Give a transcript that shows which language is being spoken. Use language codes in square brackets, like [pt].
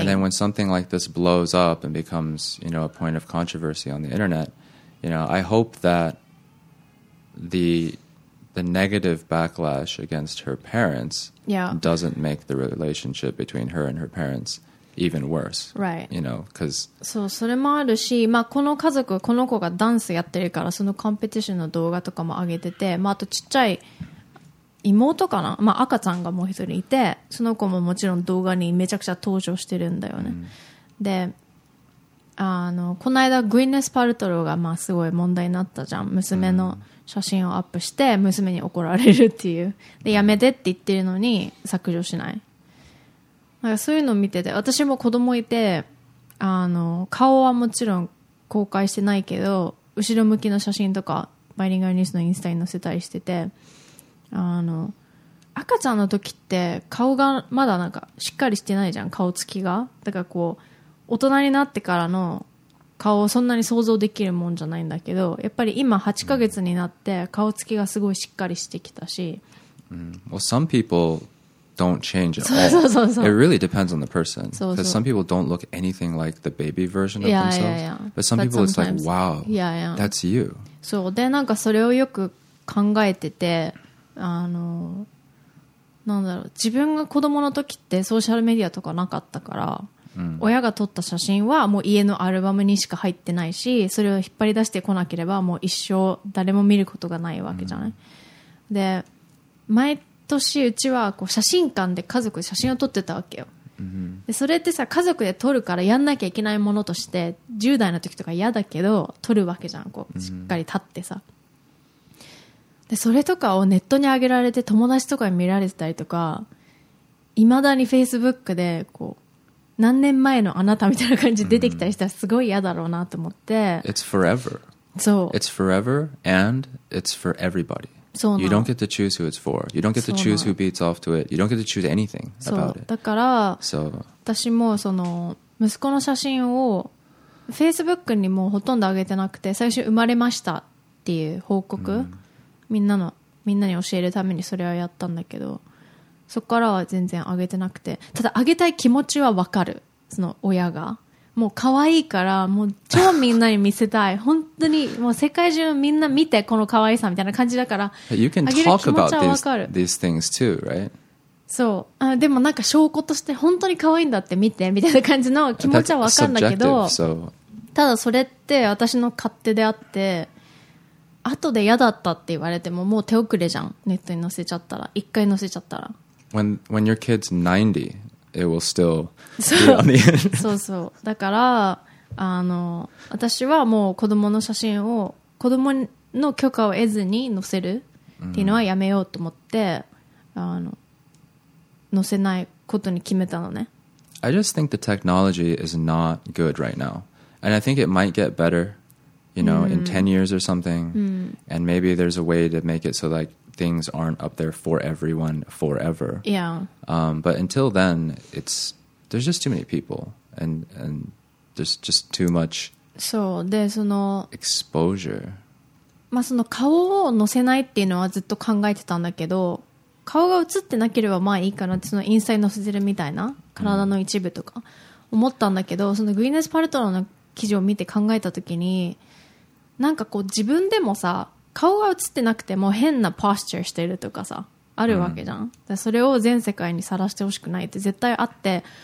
[en] And then when something like this blows up and becomes, you know, a point of controversy on the internet, you know, I hope that the negative backlash against her parents yeah. doesn't make the relationship between her and her parents even worse. Right. You know, because... [ja] So, それもあるし、まあ、この家族、この子がダンスやってるから、そのコンペティションの動画とかも上げてて、まあ、あとちっちゃい妹かな、まあ、赤ちゃんがもう一人いて、その子ももちろん動画にめちゃくちゃ登場してるんだよね。で、あの、この間、グイネス・パルトローが、まあ、すごい問題になったじゃん。娘の写真をアップして、娘に怒られるっていう。で、やめてって言ってるのに削除しない。なんかそういうのを見てて、私も子供いて、あの、顔はもちろん公開してないけど、後ろ向きの写真とか、バイリンガルニュースのインスタに載せたりしてて、あの赤ちゃんの時って顔がまだなんかしっかりしてないじゃん顔つきがだからこう大人になってからの顔をそんなに想像できるもんじゃないんだけどやっぱり今8ヶ月になって顔つきがすごいしっかりしてきたし、 [en] Well, some people don't change at all. It really depends on the person. Because some people don't look anything like the baby version of yeah, themselves. Yeah, yeah. But some people it's like, wow, yeah, yeah. that's you. [ja] そうでなんかそれをよく考えててあのなんだろう自分が子供の時ってソーシャルメディアとかなかったから、親が撮った写真はもう家のアルバムにしか入ってないしそれを引っ張り出してこなければもう一生誰も見ることがないわけじゃない、で毎年うちはこう写真館で家族で写真を撮ってたわけよ、でそれってさ家族で撮るからやんなきゃいけないものとして10代の時とか嫌だけど撮るわけじゃんこうしっかり立ってさでそれとかをネットに上げられて友達とかに見られてたりとか未だに Facebook でこう何年前のあなたみたいな感じで出てきたりしたらすごい嫌だろうなと思って [en] It's forever [ja] そう [en] It's forever and it's for everybody [ja] そうな [en] You don't get to choose who it's for You don't get to choose who beats off to it You don't get to choose anything about it [ja] そうだから私もその息子の写真を Facebook にもうほとんど上げてなくて最初生まれましたっていう報告、みんなに教えるためにそれはやったんだけどそこからは全然上げてなくてただ上げたい気持ちは分かるその親がもう可愛いからもう超みんなに見せたい本当にもう世界中みんな見てこの可愛さみたいな感じだから [en] You can talk about these things too, right? [ja] そうあでもなんか証拠として本当に可愛いんだって見てみたいな感じの気持ちは分かるんだけど、 [en] so. [ja] ただそれって私の勝手であって後で嫌だったって言われてももう手遅れじゃんネットに載せちゃったら一回載せちゃったら [en] When your kid's 90, it will still be on the end. [ja] そうそう。だから、あの、私はもう子供の写真を子供の許可を得ずに載せるっていうのはやめようと思って、あの、載せないことに決めたのね。 [en] I just think the technology is not good right now. And I think it might get better, you know, in 10 years or something. And maybe there's a way to make it so like,things aren't up there for everyone forever. Yeah. But until then, it's, there's just too many people and there's just too much [ja] そうでその [en] exposure. [ja] まあその顔を載せないっていうのはずっと考えてたんだけど顔が映ってなければまあいいかなってそのインスタに載せてるみたいな体の一部とか思ったんだけど、そのグイネス・パルトローの記事を見て考えた時になんかこう自分でもさ顔が映ってなくても変なポスチャーしてるとかさあるわけじゃん、うん、それを全世界にさらしてほしくないって絶対あって、